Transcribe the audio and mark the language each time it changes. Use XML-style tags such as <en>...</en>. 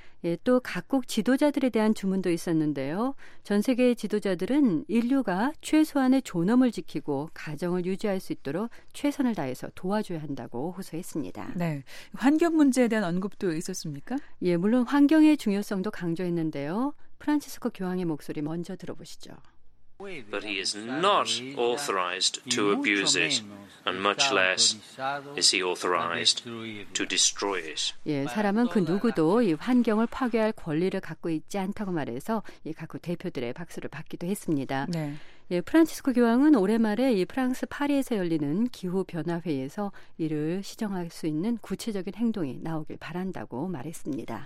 <ko>예, 또 각국 지도자들에 대한 주문도 있었는데요. 전 세계의 지도자들은 인류가 최소한의 존엄을 지키고 가정을 유지할 수 있도록 최선을 다해서 도와줘야 한다고 호소했습니다. 네, 환경 문제에 대한 언급도 있었습니까? 예, 물론 환경의 중요성도 강조했는데요. 프란치스코 교황의 목소리 먼저 들어보시죠.</ko> <en>But he is not authorized to abuse it, and much less is he authorized to destroy it.</en> <ko>예, 사람은 그 누구도 이 환경을 파괴할 권리를 갖고 있지 않다고 말해서 이 각국 대표들의 박수를 받기도 했습니다. 네. 예, 프란치스코 교황은 올해 말에 이 프랑스 파리에서 열리는 기후변화회의에서 이를 시정할 수 있는 구체적인 행동이 나오길 바란다고 말했습니다.</ko>